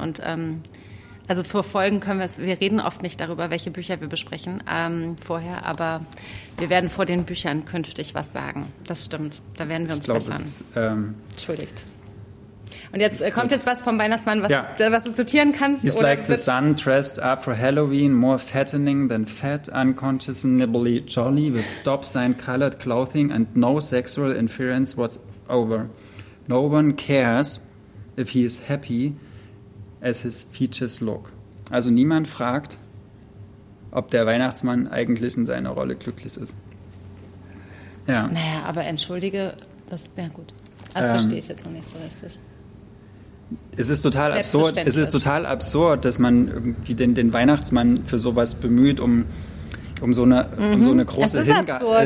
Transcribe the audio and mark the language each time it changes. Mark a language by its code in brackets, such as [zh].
[de] Und also vor Folgen können wir es. Wir reden oft nicht darüber, welche Bücher wir besprechen vorher. Aber wir werden vor den Büchern künftig was sagen. Das stimmt. Da werden wir uns bessern. Entschuldigt. Und jetzt kommt jetzt was vom Weihnachtsmann, was du zitieren kannst. [en] It's oder like the sun dressed up for Halloween, more fattening than fat, unconscious and nibbly jolly, with stop sign colored clothing and no sexual inference whatsoever. No one cares if he is happy as his features look. [de] Also niemand fragt, ob der Weihnachtsmann eigentlich in seiner Rolle glücklich ist. Ja. Naja, aber entschuldige, das wäre gut. Also verstehe ich jetzt noch nicht so richtig. Es ist total absurd, dass man irgendwie den Weihnachtsmann für sowas bemüht, um so eine große Hingabe.